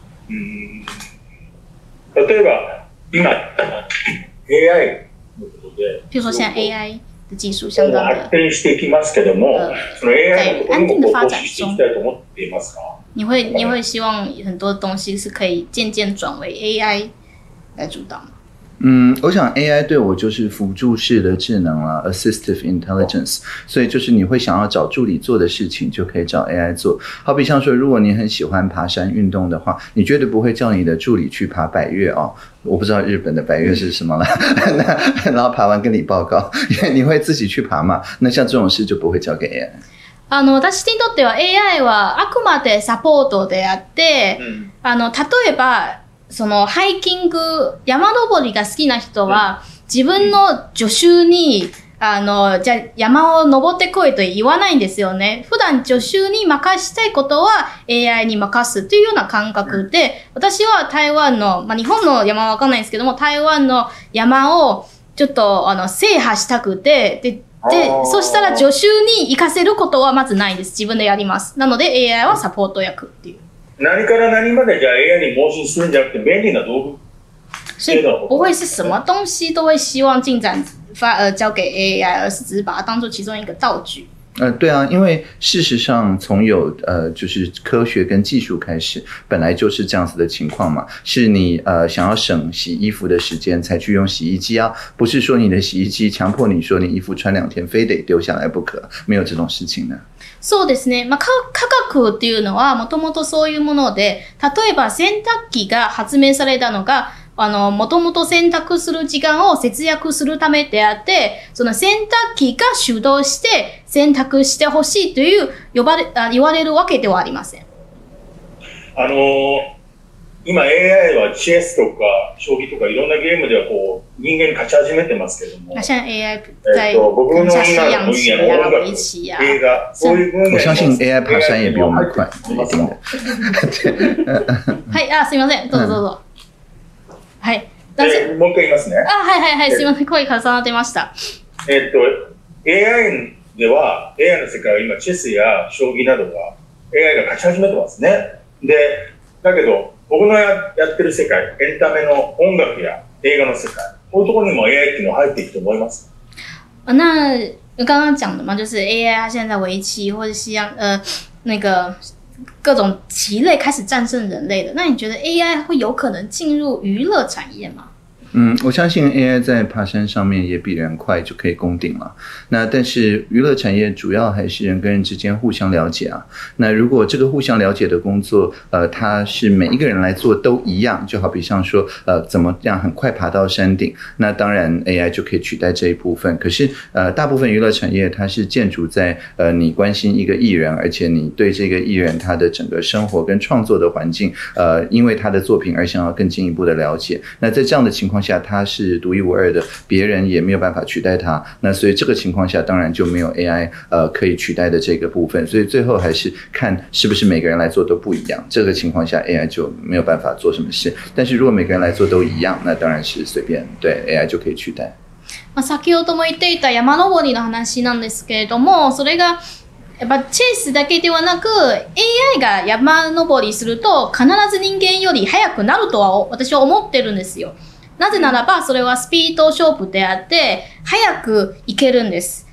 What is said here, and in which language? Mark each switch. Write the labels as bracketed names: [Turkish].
[Japanese] うん、例えば今 AI のことで、 [Chinese] 比如说现在 AI 的技术相当 [Japanese] 的発展していきますけども、その AI のところにも投資していきたいと思っていますか？ [Chinese] 你会希望很多东西是可以渐渐转为 AI 来主导吗？我想 AI 对我就是辅助式的智能啦， [English] assistive intelligence， [Chinese] 所以就是你会想要找助理做的事情就可以找 AI 做。好比像说，如果你很喜欢爬山运动的话，你绝对不会叫你的助理去爬百岳哦，我不知道日本的百岳是什么啦，然后爬完跟你报告，因为你会自己去爬嘛，那像这种事就不会交给 AI。 [Japanese] 私にとっては AI はあくまでサポートであって、例えばそのハイキング、山登りが好きな人は自分の助手に、じゃ山を登ってこいと言わないんですよね。普段助手に任したいことは AI に任すというような感覚で、私は台湾の、まあ、日本の山はわかんないんですけども、台湾の山をちょっと制覇したくて、で、そしたら助手に行かせることはまずないです。自分でやります。なので AI はサポート役っていう。何から何までじゃあ AI に申請するんじゃなくて便利な道具っていうのは、 [Chinese] 不会是什么东西都会希望进展发交给 AI， 而是只是把它当作其中一个道具。对啊，因为事实上从有就是科学跟技术开始，本来就是这样子的情况嘛。是你想要省洗衣服的时间才去用洗衣机啊，不是说你的洗衣机强迫你说你衣服穿两天非得丢下来不可，没有这种事情的。 [Japanese] そうですね。まあ、科学っていうのはもともとそういうもので、例えば洗濯機が発明されたのが、もともと洗濯する時間を節約するためであって、その洗濯機が主導して洗濯してほしいという言われるわけではありません。今 AI はチェスとか将棋とかいろんなゲームではこう人間勝ち始めてますけども。 [Chinese] 像 AI 在爬山一样，一样的围棋呀。我相信 AI 爬山也比我们快，一定的。 [Japanese] はい、あ、すみません。どうぞどうぞ。はい、もう一回言いますね。あ、はいはいはい、すみません、声重なってました。 AI では、AI の世界は今、チェスや将棋などが、AI が勝ち始めてますね。で、だけど、僕の やってる世界、エンタメの音楽や映画の世界、こういうところにも AI っていうのは入っていくと思います。 [Chinese] 那、刚刚讲的嘛、就是 AI 它现在围棋或者西洋、那个、各种棋类开始战胜人类的，那你觉得 AI 会有可能进入娱乐产业吗？我相信 AI 在爬山上面也比人快就可以攻顶了。那但是娱乐产业主要还是人跟人之间互相了解啊。那如果这个互相了解的工作，它是每一个人来做都一样，就好比像说，怎么样很快爬到山顶，那当然 AI 就可以取代这一部分。可是，大部分娱乐产业它是建筑在你关心一个艺人，而且你对这个艺人他的整个生活跟创作的环境，因为他的作品而想要更进一步的了解。那在这样的情况况下它是独一无二的，别人也没有办法取代它，那所以这个情况下当然就没有 AI 可以取代的这个部分，所以最后还是看是不是每个人来做都不一样，这个情况下 AI 就没有办法做什么事，但是如果每个人来做都一样，那当然是随便，对 AI 就可以取代。 [Japanese] まあ、先ほども言っていた山登りの話なんですけれども、それがやっぱチェスだけではなく AI が山登りすると必ず人間より速くなるとは私は思ってるんですよ。なぜならばそれはスピード勝負であって速くいけるんです。